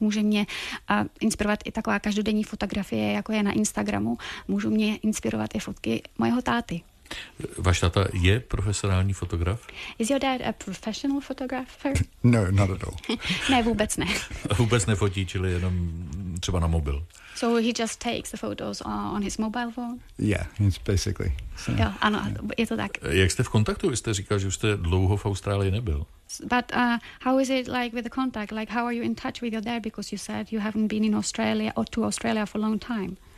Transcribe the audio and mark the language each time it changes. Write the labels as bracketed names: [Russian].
[Czech] Může mě inspirovat i taková každodenní fotografie, jako je na Instagramu. Můžu mě inspirovat i fotky mojeho táty. Váš táta je profesionální fotograf? [English] Is your dad a professional photographer? No, not at all. [Czech] Ne, vůbec ne. Vůbec nefotí, čili jenom třeba na mobil. [English] So he just takes the photos on his mobile phone? Yeah, it's basically. [Czech] So, jo, ano, yeah. Je to tak. Jak jste v kontaktu? Vy jste říkal, že jste dlouho v Austrálii nebyl. [English] But how is it like with the contact? Like how are you in touch with your dad because you said you haven't been in Australia or to Australia for a long time?